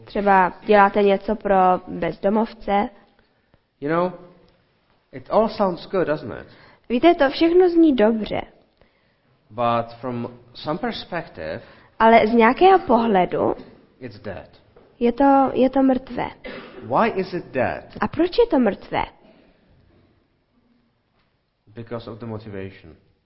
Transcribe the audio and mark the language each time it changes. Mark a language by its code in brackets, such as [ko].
[cs] Třeba děláte něco pro bezdomovce. [en] You know, it all sounds good, doesn't it? [cs] Víte, to všechno zní dobře. [en] But from some perspective, [cs] ale z nějakého pohledu, [en] it's dead. [cs] Je to mrtvé. [en] Why is it dead? [cs] A proč je to mrtvé? [en] Because of the motivation.